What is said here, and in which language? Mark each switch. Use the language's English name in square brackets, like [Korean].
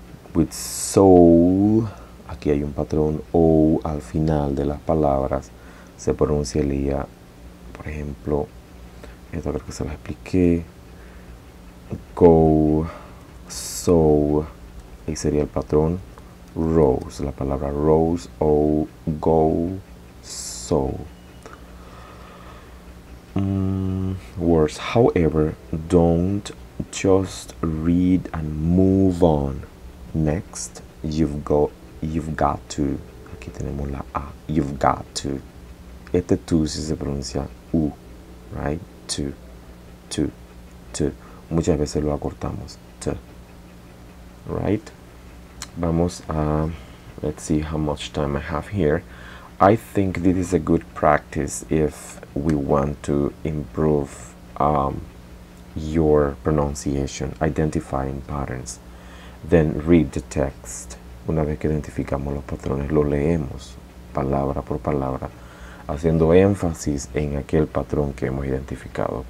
[English] With soul, [Spanish] aquí hay un patrón O al final de las palabras, se pronunciaría, por ejemplo, esto creo que se lo expliqué, go, so, ahí sería el patrón rose, la palabra rose, o go, so. [English] Words, however, don't just read and move on. Next, you've got to. [Spanish] Aquí tenemos la A. [English] You've got to. [Spanish] Este to si se pronuncia U, right? To. To. To. Muchas veces lo acortamos. To. Right? Vamos a. [English] Let's see how much time I have here. I think this is a good practice if we want to improve your pronunciation, identifying patterns. Then read the text. [Spanish] Una vez que identificamos los patrones, lo leemos palabra por palabra, haciendo énfasis en aquel patrón que hemos identificado.